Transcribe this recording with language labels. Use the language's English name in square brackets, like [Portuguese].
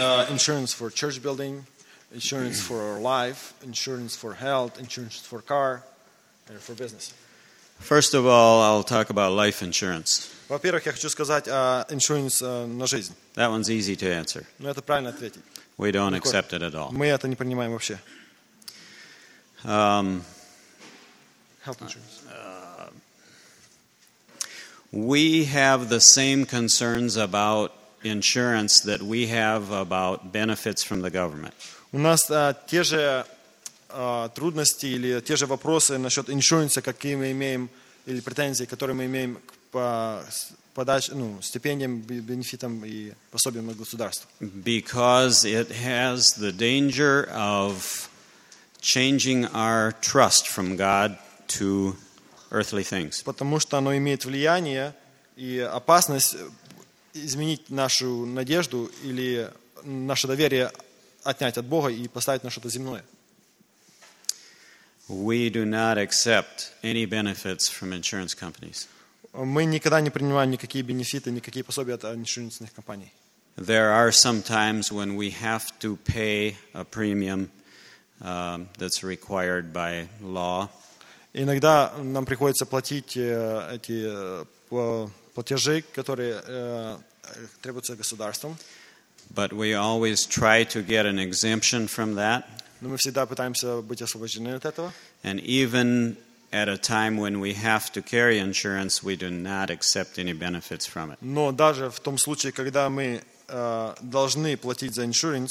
[English] insurance for church building, insurance for life, insurance for health, insurance for car, and for business. First of all, I'll talk about life insurance. [Russian] Во-первых, я хочу сказать о insurance на жизнь. [English] That one's easy to answer. [Russian] Ну, это правильно ответить. [English] We don't accept it at all. [Russian] Мы это не принимаем вообще. [English] Health insurance. We have the same concerns about insurance that we have about benefits from the government. [Russian] У нас те же трудности или те же вопросы насчет insurance, какие мы имеем, или претензии, которые мы имеем к подаче, ну, стипендиям, бенефитам и пособиям от государства. [English] Because it has the danger of changing our trust from God to earthly things. [Russian] Потому что оно имеет влияние и опасность изменить нашу надежду или наше доверие отнять от Бога и поставить на что-то земное. [English] We do not accept any benefits from insurance companies. [Russian] Мы никогда не принимаем никакие бенефиты, никакие пособия от инсуренсных компаний. [English] There are some times when we have to pay a premium that's required by law. [Russian] Иногда нам приходится платить эти платежи, которые требуются государством. [English] But we always try to get an exemption from that. [Russian] Но мы всегда пытаемся быть освобождены от этого. [English] And even at a time when we have to carry insurance, we do not accept any benefits from it. [Russian] Но даже в том случае, когда мы должны платить за insurance,